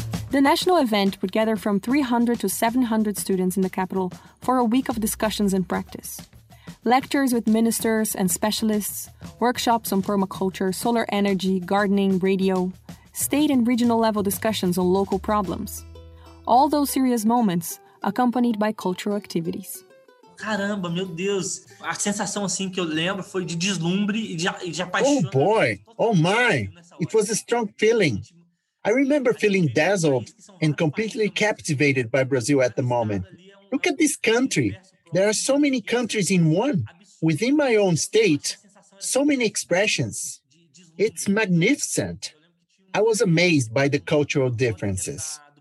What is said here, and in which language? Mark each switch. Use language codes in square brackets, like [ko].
[en] The national event would gather from 300 to 700 students in the capital for a week of discussions and practice. Lectures with ministers and specialists, workshops on permaculture, solar energy, gardening, radio, state and regional level discussions on local problems. All those serious moments accompanied by cultural activities. [pt] Caramba, meu Deus! A sensação assim que eu lembro foi de deslumbre e de apaixonado. [en] Oh boy! Oh my! It was a strong feeling. I remember feeling dazzled and completely captivated by Brazil at the moment. Look at this country. There are so many countries in one. Within my own state, so many expressions. It's magnificent. I was amazed by the cultural differences.